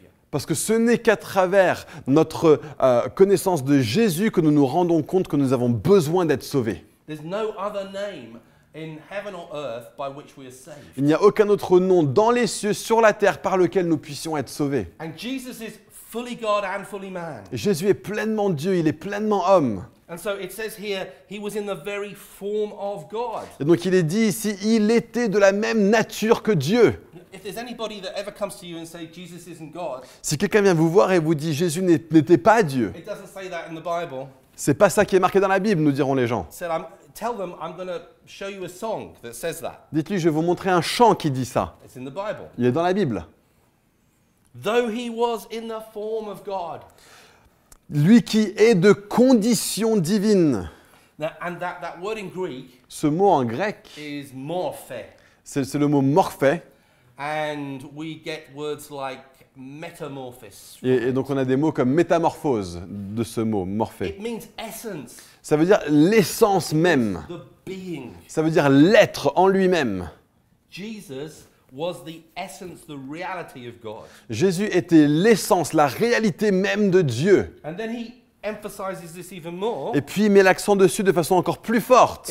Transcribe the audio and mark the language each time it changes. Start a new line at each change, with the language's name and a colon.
French: Parce que ce n'est qu'à travers notre connaissance de Jésus que nous nous rendons compte que nous avons besoin d'être sauvés. Il n'y a pas d'autre nom
English: in heaven or earth by which we are saved.
French: Il n'y a aucun autre nom dans les cieux, sur la terre, par lequel nous puissions être sauvés.
English: And Jesus is fully God and fully man.
French: Jésus est pleinement Dieu, il est pleinement homme.
English: And so it says here, he was in the very form of God.
French: Et donc il est dit ici, il était de la même nature que Dieu.
English: If there's anybody that ever comes to you and say Jesus isn't God.
French: Si quelqu'un vient vous voir et vous dit Jésus n'était pas Dieu.
English: It doesn't say that in the Bible.
French: C'est pas ça qui est marqué dans la Bible, nous diront les gens.
English: Tell them I'm going to show you a song that says that.
French: Dites-lui, je vais vous montrer un chant qui dit ça.
English: It's in the Bible.
French: Il est dans la Bible.
English: Though he was in the form of God.
French: Lui qui est de condition divine.
English: Now, and that word in Greek.
French: Ce mot en grec.
English: Is morphe.
French: C'est le mot morphe.
English: And we get words like metamorphose.
French: Et donc on a des mots comme métamorphose de ce mot morphé.
English: It means essence.
French: Ça veut dire l'essence même.
English: The being.
French: Ça veut dire l'être en lui-même.
English: Jesus was the essence, the reality of God.
French: Jésus était l'essence, la réalité même de Dieu.
English: And then he emphasizes this even more.
French: Et puis il met l'accent dessus de façon encore plus forte.